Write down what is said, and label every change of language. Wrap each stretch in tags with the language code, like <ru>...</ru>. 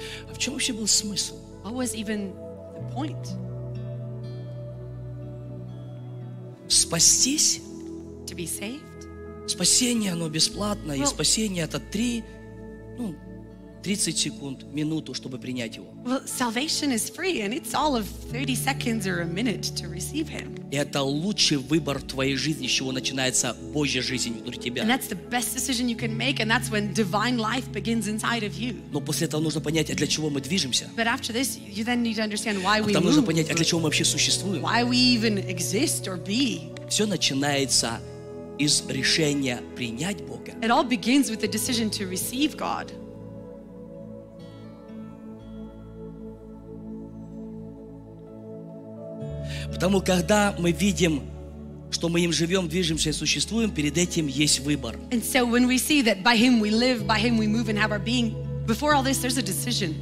<ru>А в чем вообще был смысл?</ru> <en>What was even the point?</en> <ru>Спастись?</ru> <en>To be saved?</en> <ru>Спасение, оно бесплатно, well, и спасение это 3, ну, 30 секунд, минуту, чтобы принять его.</ru> <en>Well, salvation is free, and it's all of 30 seconds or a minute to receive him.</en> <ru>И это лучший выбор твоей жизни, с чего начинается Божья жизнь внутри тебя.</ru> <en>And that's the best decision you can make, and that's when divine life begins inside of you.</en> <ru>Но после этого нужно понять, а для чего мы движемся.</ru> <en>But after this, you then need to understand why we move.</en> <ru>Нужно понять, а для чего мы вообще существуем.</ru> <en>Why we even exist or be.</en> <ru>Все начинается из решения принять Бога.</ru> <en>It all begins with the decision to receive God.</en> <ru>Потому когда мы видим, что мы им живем, движемся и существуем, перед этим есть выбор.</ru> <en>And so when we see that by Him we live, by Him we move and have our being, before all this there's a decision.</en>